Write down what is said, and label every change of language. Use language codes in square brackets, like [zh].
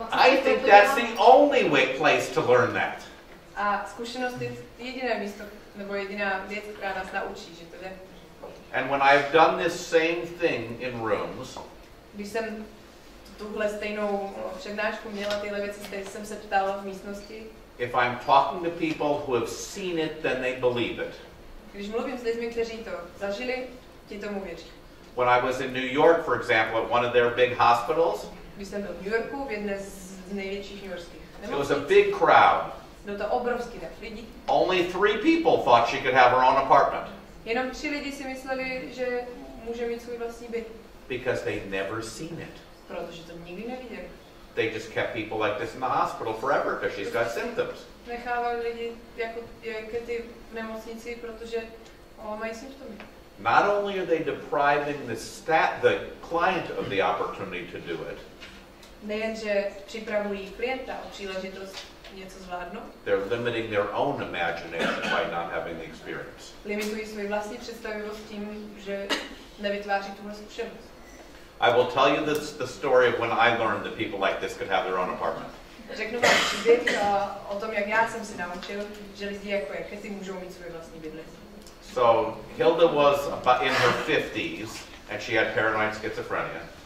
[en] I think that's the only way place to learn that. [cs] A zkušenost je jediné místo, nebo jediná věc, která nás naučí, že to jde. [en] And when I've done this same thing in rooms, [cs] když jsem tuhle stejnou přednášku měla, tyhle věci, které jsem se ptala v místnosti, [en] if I'm talking to people who have seen it, then they believe it. [cs] Když mluvím s lidmi, kteří to zažili, ti tomu věří. [en] When I was in New York, for example, at one of their big hospitals, [cs] když jsem byl v New Yorku, v jedné z největších newyorkských [en] nemocnic, it was a big crowd. [cs] No to obrovský dav lidí. [en] Only three people thought she could have her own apartment. [cs] Jenom tři lidi si mysleli, že může mít svůj vlastní byt. [en] Because they've never seen it. [cs] Protože to nikdy neviděli. [en] they just kept people like this in the hospital forever because she's got symptoms. [cs] Nechávali lidi jako ty v nemocnici, protože mají symptomy. [en] Not only are they depriving the client of the opportunity to do it. [cs] Nejenže připravují klienta o příležitost něco zvládnout. [en] They're limiting their own imagination by not having the experience. [cs] Limitují svoji vlastní představivost tím, že nevytváří tuhle zkušenost. [en] I will tell you the story of when I learned that people like this could have their own apartment. [cs] Řeknu vám příběh o tom, jak já jsem se naučil, že lidi jako je, kteří můžou mít svůj vlastní bydlení. [en] So Hilda was in her 50s and she had paranoid schizophrenia.